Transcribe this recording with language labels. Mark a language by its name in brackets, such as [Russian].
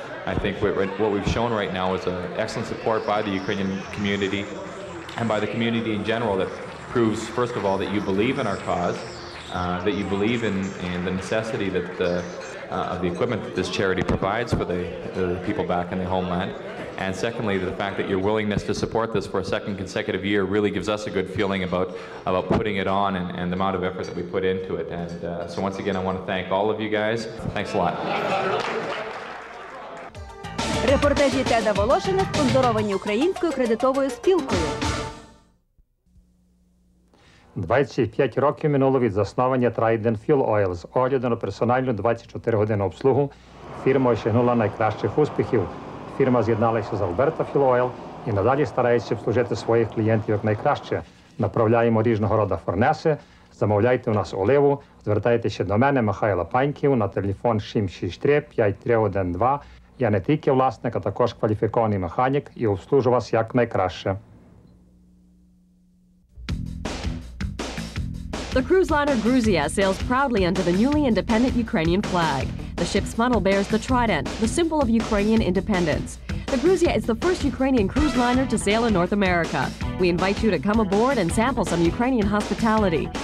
[English] I think what we've shown right now is excellent support by the Ukrainian community and by the community in general that proves, first of all, that you believe in our cause, that you believe in the necessity that of the equipment that this charity provides for the people back in the homeland. And secondly, the fact that your willingness to support this for a second consecutive year really gives us a good feeling about putting it on and the amount of effort that we put into it. And so once again, I want to thank all of you guys. Thanks a lot. [Ukrainian] Репортажі Теда Волошина спонсоровані Українською кредитовою спілкою. 25 років минуло від заснування Trident Fuel Oils. Огляду на персональну 24-годинну обслугу фірма осягнула найкращих успіхів. Фірма з'єдналася з Alberta Fuel Oil і надалі старається обслужити своїх клієнтів якнайкраще. Направляємо різного роду фурнеси, замовляйте у нас оливу, звертайтеся до мене, Михайло Паньків, на телефон 763-5312. Я не тільки власник, а також кваліфікований механік і обслужу вас якнайкраще. [English] The cruise liner Gruzia sails proudly under the newly independent Ukrainian flag. The ship's funnel bears the trident, the symbol of Ukrainian independence. The Gruzia is the first Ukrainian cruise liner to sail in North America. We invite you to come aboard and sample some Ukrainian hospitality.